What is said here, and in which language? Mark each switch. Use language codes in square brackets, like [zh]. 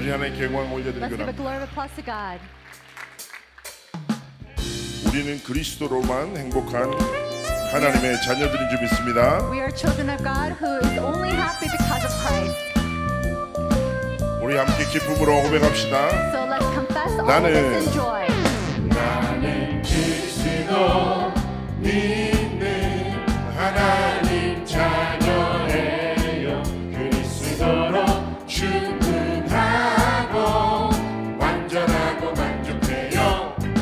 [ko] 우리 하나님 경광 올려드리고 합니다. 우리는 그리스도로만 행복한 하나님의 자녀들인 줄 믿습니다. [en] We are children of God who is only happy because of Christ. [ko] 우리 함께 기쁨으로 고백합시다. [en] So let's confess all with enjoy. [ko] 나는 그리스도 믿는 하나님 자녀예요. 그리스도로 충분하고 완전하고 만족해요.